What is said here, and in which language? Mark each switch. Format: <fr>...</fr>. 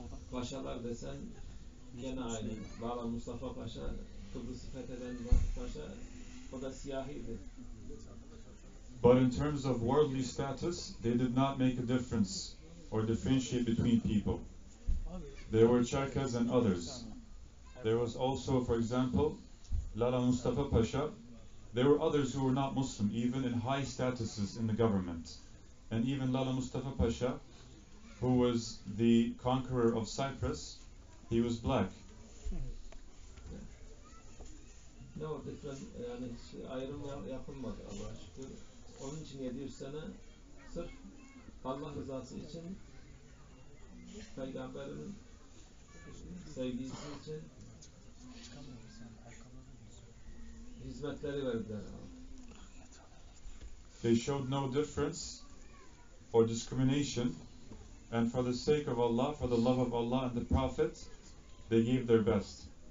<tr>Paşalar desen gene aynı. Valla Mustafa Paşa, Kıbrıs'ı fetheden Paşa, o da siyahiydi.</tr> <en>But in terms of worldly status, they did not make a difference or differentiate between people. There were Çerkez and others. There was also, for example, Lala Mustafa Paşa. There were others who were not Muslim, even in high statuses in the government. And even Lala Mustafa Paşa, who was the conqueror of Cyprus, he was black. No, different,</en> <tr>yani ayrım yapılmadı Allah'a şükür. Onun için 700 sene sırf Allah rızası için, Peygamber'in sevgisi için hizmetleri verdiler.</tr> <en>They showed no difference for discrimination, and for the sake of Allah, for the love of Allah and the Prophet, they gave their best.</en>